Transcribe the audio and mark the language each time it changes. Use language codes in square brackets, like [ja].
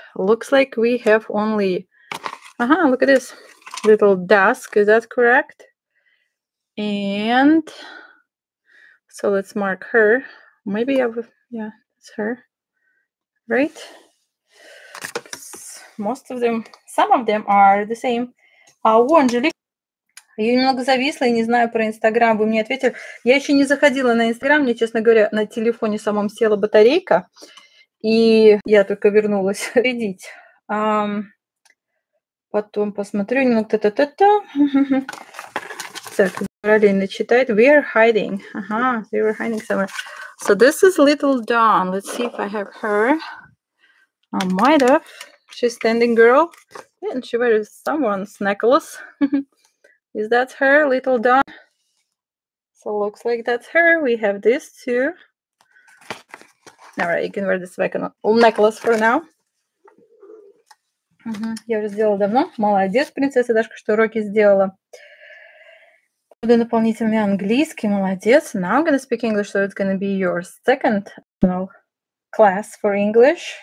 [en] Looks like we have only, look at this. Little Dusk, is that correct? And so let's mark her. Maybe I will, yeah, it's her, right? Most of them, some of them are the same. [ru] О, Анжелика, я немного зависла и не знаю про Инстаграм. Вы мне ответили. Я еще не заходила на Инстаграм. Мне, честно говоря, на телефоне самом села батарейка. И я только вернулась видеть. Потом посмотрю. Так, Каролина читает. [en] We are hiding. We were hiding somewhere. So this is Little Dawn. Let's see if I have her. I might have. She's standing girl. Yeah, and she wears someone's necklace. Is that her, Little Dawn? So looks like that's her. We have this too. All right, you can wear this necklace for now. [ru] Я уже сделала давно. Молодец, принцесса Дашка, что уроки сделала. Буду наполнительный английский. Молодец. [en] Now I'm gonna speak English, so it's gonna be your second class for English.